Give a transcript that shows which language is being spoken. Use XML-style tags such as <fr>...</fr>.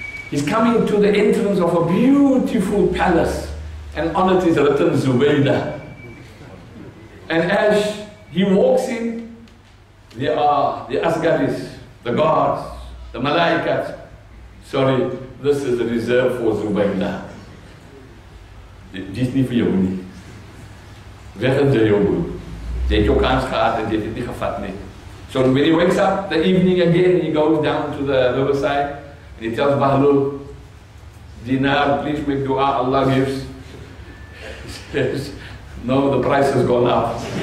<en>He's coming to the entrance of a beautiful palace and on it is written Zubaydah. And as he walks in, there are the Asgaris, the guards, the Malaikat, Sorry, this is reserved for Zubayda.</en> <nl>Dit is niet voor jou, niet. Weg het de jongen. Je hebt jouw kans gehad en je hebt het niet gevat, nee.</nl> <en>So when he wakes up the evening again, he goes down to the riverside and he tells Bahlul, Dinar, please make dua, Allah gives. He says, no, the price has gone up.</en>